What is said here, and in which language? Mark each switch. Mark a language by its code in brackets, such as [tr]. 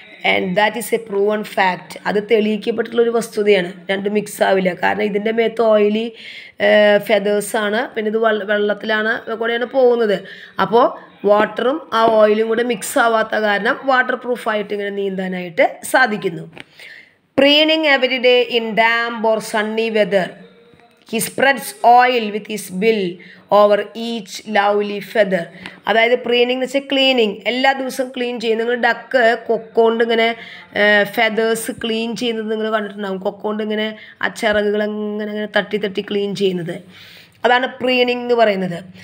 [en] And that is a proven fact. [ml] അത് തെളിയിക്കപ്പെട്ടിട്ടുള്ളൊരു വസ്തുതയാണ്, രണ്ടും മിക്സാവില്ല. കാരണം ഇതിൻ്റെ മേത്ത് ഓയിലി ഫെദേഴ്സാണ്, പിന്നെ ഇത് വെള്ളത്തിലാണ് കൂടെയാണ് പോകുന്നത്. അപ്പോൾ വാട്ടറും ആ ഓയിലും കൂടെ മിക്സാവാത്ത കാരണം വാട്ടർ പ്രൂഫായിട്ട് ഇങ്ങനെ നീന്താനായിട്ട് സാധിക്കുന്നു. [en] Preening every day in damp or sunny weather, he spreads oil with his bill over each lovely feather. [ml] അതായത് പ്രീനിങ് എന്ന് വെച്ചാൽ ക്ലീനിങ്. എല്ലാ ദിവസവും ക്ലീൻ ചെയ്യുന്നു. നിങ്ങൾ ഡക്ക് കൊക്കോണ്ട് ഇങ്ങനെ ഫെദേഴ്സ് ക്ലീൻ ചെയ്യുന്നത് നിങ്ങൾ കണ്ടിട്ടുണ്ടാവും. കൊക്കോണ്ട് ഇങ്ങനെ ആ ചിറകുകൾ ഇങ്ങനെ ഇങ്ങനെ തട്ടി തട്ടി ക്ലീൻ ചെയ്യുന്നത്, അതാണ് പ്രീനിങ് എന്ന് പറയുന്നത്.